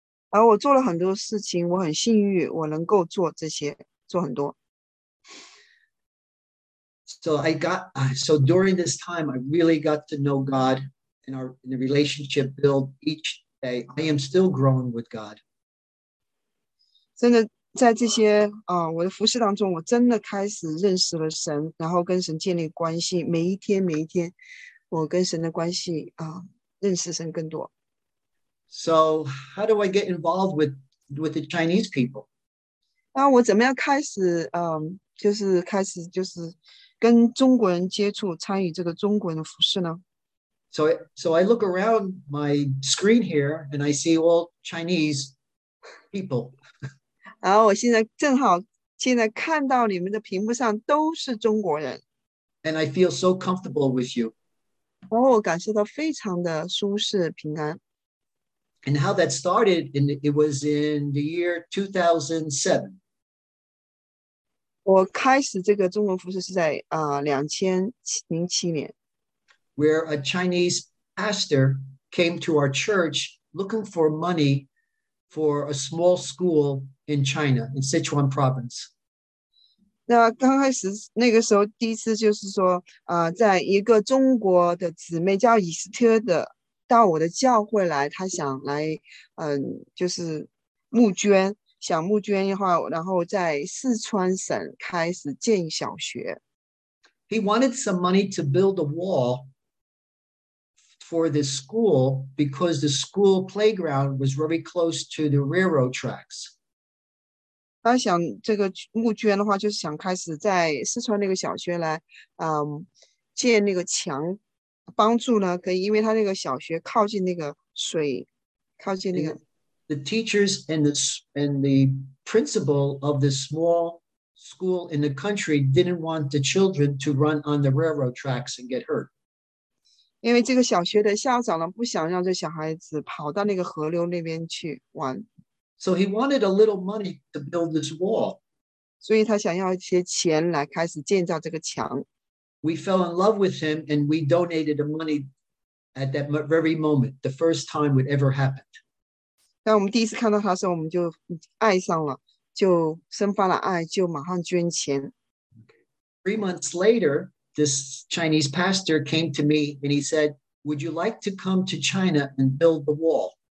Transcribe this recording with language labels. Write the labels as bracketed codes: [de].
[zh] 然后我做了很多事情，我很幸运，我能够做这些，做很多。 [en] So during this time, I really got to know God, and the relationship built each day, I am still growing with God. [zh] 真的在这些我的服事当中，我真的开始认识了神，然后跟神建立关系。每一天，每一天，我跟神的关系认识神更多。 [en] So how do I get involved with the Chinese people? [zh] 那我怎么样开始就是跟中国人接触，参与这个中国人的服事呢？ [en] So I look around my screen here and I see all Chinese people. [zh] 然后我现在正好现在看到你们的屏幕上都是中国人。 [en] And I feel so comfortable with you. [zh] 然后我感受到非常的舒适平安。 [en] And how that started, it was in the year 2007. [zh] 我开始这个中文服事是在2007年。 [en] Where a Chinese pastor came to our church looking for money for a small school in China, in Sichuan province. [zh] 那刚开始那个时候第一次就是说在一个中国的姊妹叫以斯特的到我的教会来，他想来就是募捐，想募捐的话，然后在四川省开始建小学。 [en] He wanted some money to build a wall for the school because the school playground was very close to the railroad tracks. [zh] 他想这个募捐的话，就是想开始在四川那个小学来建那个墙。帮助呢，可以，因为他那个小学靠近那个水，靠近那个。 [en] The teachers and the principal of the small school in the country didn't want the children to run on the railroad tracks and get hurt. [zh] 因为这个小学的校长呢，不想让这小孩子跑到那个河流那边去玩。 [en] So he wanted a little money to build this wall. [zh] 所以他想要一些钱来开始建造这个墙。 [en] We fell in love with him and we donated the money at that very moment, the first time it ever happened. [zh] 当我们第一次看到他的时候，我们就爱上了，就生发了爱，就马上捐钱。 [en] 3 months later, this Chinese pastor came to me and he said, would you like to come to China and build the wall?